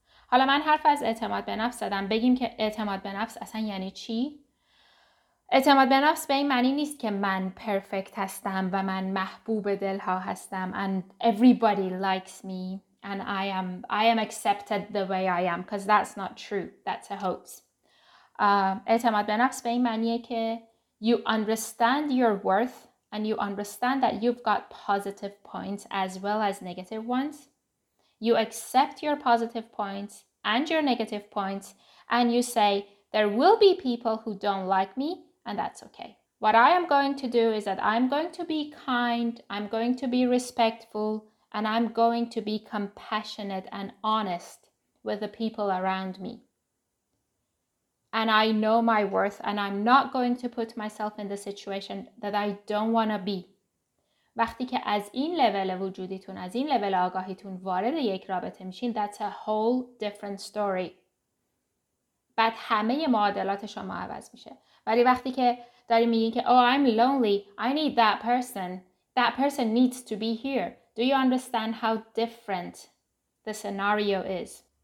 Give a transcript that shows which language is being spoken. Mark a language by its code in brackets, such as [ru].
[fa] حالا من حرف از اعتماد به نفس زدم، بگیم که اعتماد به نفس اصلا یعنی چی؟ اعتماد به نفس به این معنی نیست که من پرفکت هستم و من محبوب دلها هستم [en] and everybody likes me and I am accepted the way I am, because that's not true, that's a hoax. [fa] اعتماد به نفس به این معنیه که [en] you understand your worth and you understand that you've got positive points as well as negative ones. You accept your positive points and your negative points and you say, there will be people who don't like me and that's okay. What I am going to do is that I'm going to be kind, I'm going to be respectful, and I'm going to be compassionate and honest with the people around me. And I know my worth and I'm not going to put myself in the situation that I don't want to be. [fa] وقتی که از این لول وجودیتون، از این لول آگاهیتون وارد یک رابطه میشین، [en] that's a whole different story. [fa] بعد همه معادلات شما عوض میشه. ولی وقتی که داری میگین که [en] oh, I'm lonely, I need that person. That person needs to be here. Do you understand how different the scenario is?